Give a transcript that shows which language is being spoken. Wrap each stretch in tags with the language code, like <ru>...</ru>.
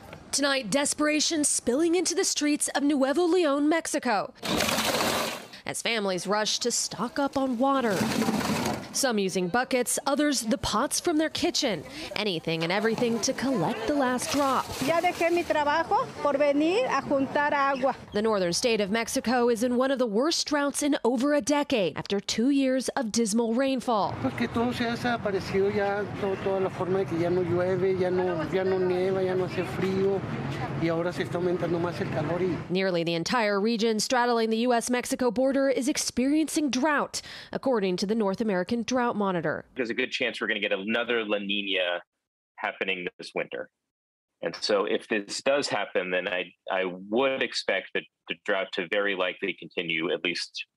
<en>Tonight, desperation spilling into the streets of Nuevo León, Mexico, as families rush to stock up on water. Some using buckets, others the pots from their kitchen. Anything and everything to collect the last drop.</en> <es>Ya dejé mi trabajo por venir a juntar agua.</es> <en>The northern state of Mexico is in one of the worst droughts in over a decade after 2 years of dismal rainfall.</en> <es>Porque todo se ha desaparecido ya, toda la forma de que ya no llueve, ya no nieva, ya no hace frío, y ahora se está aumentando más el calor.</es> <en>Nearly the entire region straddling the U.S.-Mexico border is experiencing drought, according to the North American Drought Monitor. There's a good chance we're going to get another La Nina happening this winter. And so if this does happen, then I would expect that the drought to very likely continue at least</en>